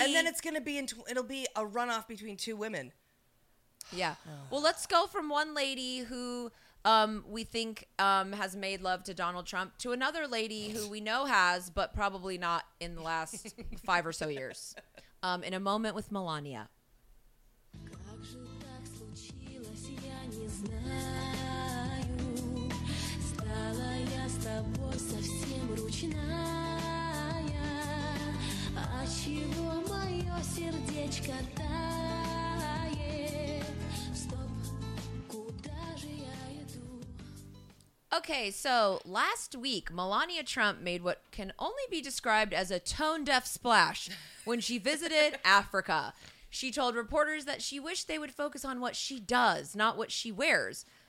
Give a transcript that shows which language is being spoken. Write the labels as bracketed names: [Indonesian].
[English] And then it's going to be it'll be a runoff between two women. Yeah. Well, let's go from one lady who we think has made love to Donald Trump to another lady who we know has, but probably not in the last 5 or so years. In a moment with Melania. [Russian] Как же так случилось, я не знаю. Стала я с тобой совсем ручная. А чего мое сердечко тает? Стоп, куда же я иду? [English] Okay, so last week, Melania Trump made what can only be described as a tone-deaf splash when she visited Africa. She told reporters that she wished they would focus on what she does, not what she wears.